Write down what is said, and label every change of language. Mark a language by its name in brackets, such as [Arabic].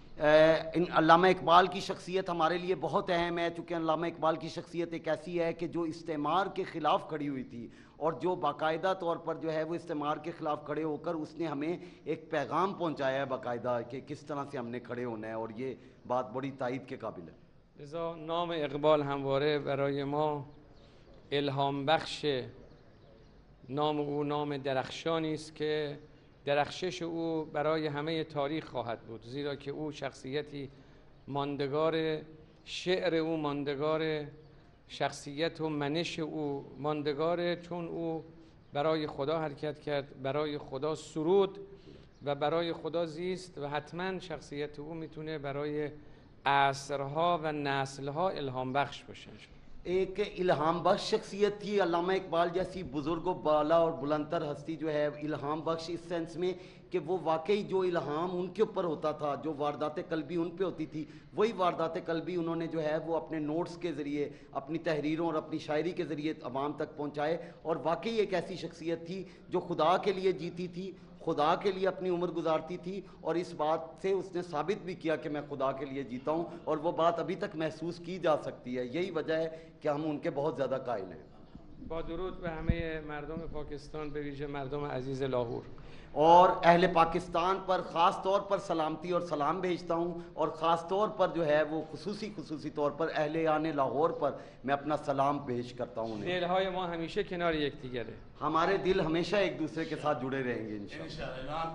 [Urdu] ان علامہ اقبال کی شخصیت ہمارے لیے بہت اہم ہے، چونکہ علامہ اقبال کی شخصیت ایک ایسی ہے کہ جو استعمار کے خلاف کھڑی ہوئی تھی اور جو باقاعدہ طور پر جو ہے وہ استعمار کے خلاف کھڑے ہو کر اس نے ہمیں ایک پیغام پہنچایا ہے باقاعدہ کہ کس طرح سے ہم نے کھڑے ہونا ہے، اور یہ بات بڑی تائید کے قابل ہے. [Persian] لذا نام اقبال ہمواره برای ما الهام بخش، نام او نام درخشانی است که درخشش او برای همه تاریخ خواهد بود، زیرا که او شخصیتی ماندگار، شعر او ماندگار، شخصیت و منش او ماندگار، چون او برای خدا حرکت کرد، برای خدا سرود و برای خدا زیست، و حتما شخصیت او میتونه برای عصرها و نسلها الهام بخش باشه. [Urdu] ایک الہام بخش شخصیت تھی علامہ اقبال جیسی بزرگ و بالا اور بلندتر ہستی جو ہے، الہام بخش اس سینس میں کہ وہ واقعی جو الہام ان کے اوپر ہوتا تھا، جو واردات قلبی ان پہ ہوتی تھی، وہی واردات قلبی انہوں نے جو ہے وہ اپنے نوٹس کے ذریعے، اپنی تحریروں اور اپنی شاعری کے ذریعے عوام تک پہنچائے. اور واقعی ایک ایسی شخصیت تھی جو خدا کے لیے جیتی تھی، خدا کے لیے اپنی عمر گزارتی تھی، اور اس بات سے اس نے ثابت بھی کیا کہ میں خدا کے لیے جیتا ہوں، اور وہ بات ابھی تک محسوس کی جا سکتی ہے. یہی وجہ ہے کہ ہم ان کے بہت زیادہ قائل ہیں. [Persian] با درود به همه مردم پاکستان، به ویژه مردم عزیز لاہور، [Urdu] اور اہل پاکستان پر خاص طور پر سلامتی اور سلام بھیجتا ہوں، اور خاص طور پر جو ہے وہ خصوصی خصوصی طور پر اہل آن لاہور پر میں اپنا سلام پیش کرتا ہوں. [Persian] دل های ما ہمیشہ کنار ایک دیگر ہے، [Urdu] ہمارے دل ہمیشہ ایک دوسرے کے ساتھ جڑے رہیں گے انشاءاللہ.